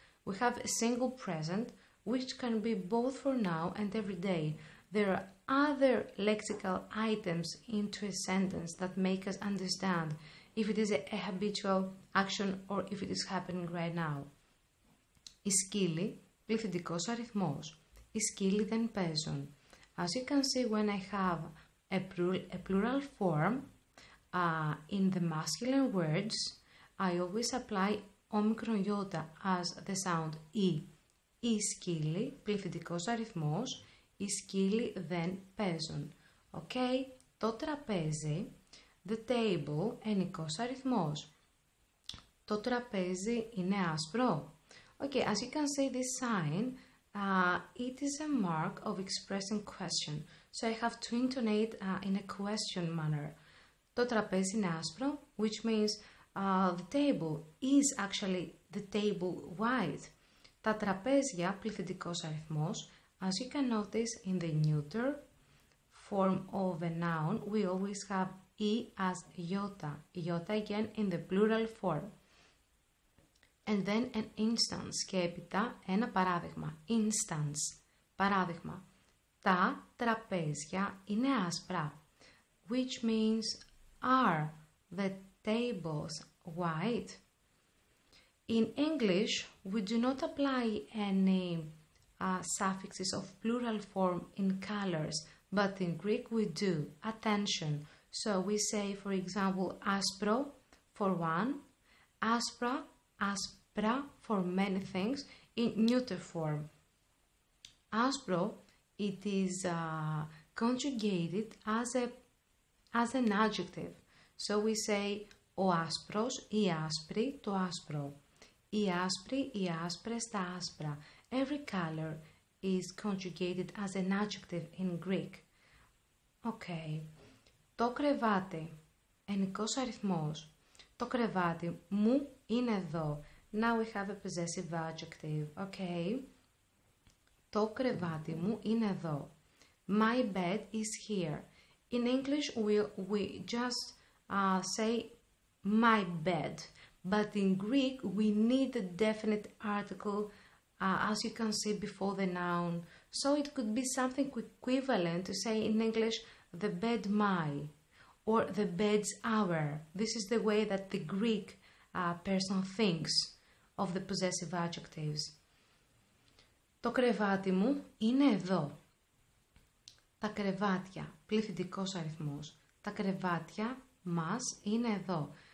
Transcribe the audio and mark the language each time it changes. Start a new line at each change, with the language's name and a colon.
English: We have a single present, which can be both for now and every day. There are other lexical items into a sentence that make us understand if it is a habitual action or if it is happening right now.
Greek: Οι σκύλοι, πληθυντικός αριθμός. Οι σκύλοι δεν παίζουν.
English: As you can see, when I have a plural form, in the masculine words, I always apply omicron iota as the sound e.
Greek: Η σκύλη, πληθυντικός αριθμός, οι σκύλοι δεν παίζουν. Okay, το τραπέζι, the table, ενικός αριθμός. Το τραπέζι είναι άσπρο.
English: Okay, as you can see this sign, it is a mark of expressing question. So I have to intonate in a question manner. Το τραπέζι είναι άσπρο, which means the table is actually the table white.
Greek: Τα τραπέζια, πληθυντικός αριθμός.
English: As you can notice in the neuter form of a noun, we always have e as iota. Iota again in the plural form. And then an instance.
Greek: Και έπειτα ένα παράδειγμα. Instance. Παράδειγμα. Τα τραπέζια είναι άσπρα.
English: Which means, are the tables white? In English, we do not apply any suffixes of plural form in colors, but in Greek we do. Attention. So we say, for example, άσπρο for one, άσπρα, άσπρα for many things in neuter form. Άσπρο, it is conjugated as an adjective.
Greek: So we say ο άσπρος, η άσπρη, το άσπρο. Η άσπρη, η άσπρες, τα άσπρα.
English: Every color is conjugated as an adjective in Greek.
Greek: Okay. Το κρεβάτι. Ενικός αριθμός. Το κρεβάτι μου είναι εδώ.
English: Now we have a possessive adjective. Okay.
Greek: Το κρεβάτι μου είναι εδώ.
English: My bed is here. In English, we just say my bed, but in Greek we need a definite article as you can see before the noun. So it could be something equivalent to say in English the bed my or the bed's our. This is the way that the Greek person thinks of the possessive adjectives.
Greek: Το κρεβάτι μου είναι εδώ. Τα κρεβάτια, πληθυντικός αριθμός. Τα κρεβάτια μας είναι εδώ.